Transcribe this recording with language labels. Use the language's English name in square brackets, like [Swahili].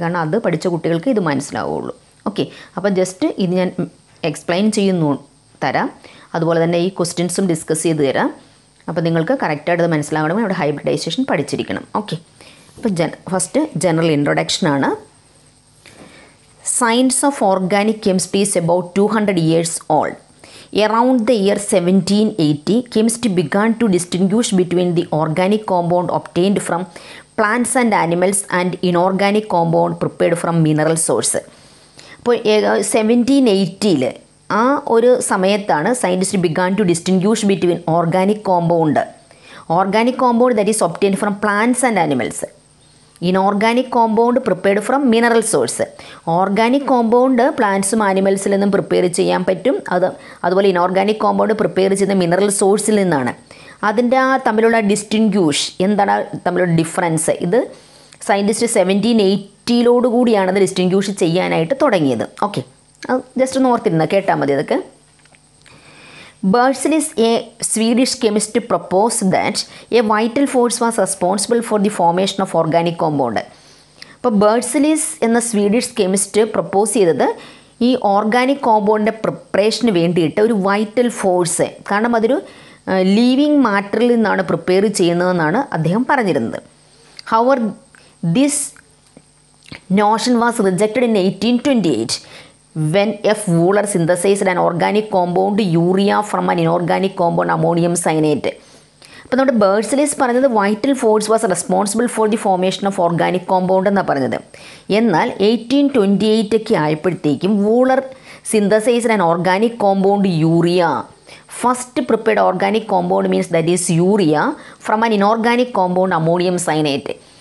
[Malayalam] കാരണം അത് പഠിച്ച കുട്ടികൾക്ക് ഇത് മനസ്സിലാവുള്ളൂ. ഓക്കെ, അപ്പോൾ ജസ്റ്റ് ഇത് ഞാൻ എക്സ്പ്ലെയിൻ ചെയ്യുന്നു തരാം, അതുപോലെ തന്നെ ഈ ക്വസ്റ്റ്യൻസും ഡിസ്കസ് ചെയ്ത് തരാം. അപ്പോൾ നിങ്ങൾക്ക് കറക്റ്റായിട്ട് മനസ്സിലാവണം, അവിടെ ഹൈബ്രിഡൈസേഷൻ പഠിച്ചിരിക്കണം. ഓക്കെ, അപ്പോൾ ഫസ്റ്റ് ജനറൽ ഇൻട്രൊഡക്ഷൻ ആണ്. [English] Science of organic chemistry is about 200 years old. Around the year 1780, chemistry began to distinguish between the organic compound obtained from plants and animals and inorganic compound prepared from mineral sources. [Malayalam] അപ്പോൾ 1780 ആ ഒരു സമയത്താണ് [English] Scientist began to distinguish between organic compound, organic compound that is obtain from plants and animals, inorganic compound prepared from mineral source. [Malayalam] Organic compound പ്ലാന്റ്സും ആനിമൽസിൽ നിന്നും prepare ചെയ്യാൻ പറ്റും, അത് അതുപോലെ inorganic compound prepare ചെയ്യുന്ന മിനറൽ സോഴ്സിൽ നിന്നാണ്. അതിൻ്റെ ആ തമ്മിലുള്ള ഡിസ്റ്റിങ്ക്യൂഷ് എന്താണ് തമ്മിലുള്ള ഡിഫറൻസ്, ഇത് സയൻറ്റിസ്റ്റ് 1780s ഡിസ്റ്റിങ്ക്യൂഷ് ചെയ്യാനായിട്ട് തുടങ്ങിയത്. ഓക്കെ, ജസ്റ്റ് ഒന്ന് ഓർത്തിരുന്ന കേട്ടാൽ മതി. [English] അതൊക്കെ Berzelius, a Swedish chemist, proposed that a vital force was responsible for the formation of organic compound. [Malayalam] അപ്പോൾ Berzelius എന്ന സ്വീഡിഷ് കെമിസ്റ്റ് പ്രപ്പോസ് ചെയ്തത് ഈ ഓർഗാനിക് കോമ്പൗണ്ടിൻ്റെ പ്രിപ്പറേഷന് വേണ്ടിയിട്ട് ഒരു വൈറ്റൽ ഫോഴ്സ്, കാരണം അതൊരു ലീവിങ് മാറ്ററിൽ നിന്നാണ് പ്രിപ്പയർ ചെയ്യുന്നതെന്നാണ് അദ്ദേഹം പറഞ്ഞിരുന്നത്. [English] However this notion was rejected in 1828 when F. Wohler synthesized an organic compound urea from an inorganic compound ammonium cyanate. [Malayalam] അപ്പോൾ നമ്മുടെ ബേഴ്സലിസ് പറഞ്ഞത് [English] vital force was responsible for the formation of organic compound [Malayalam] എന്നാണ് പറഞ്ഞത്. എന്നാൽ 1828 ഒക്കെ ആയപ്പോഴത്തേക്കും [English] Wohler synthesized an organic compound urea, first prepared organic compound means that is urea from an inorganic compound ammonium cyanate.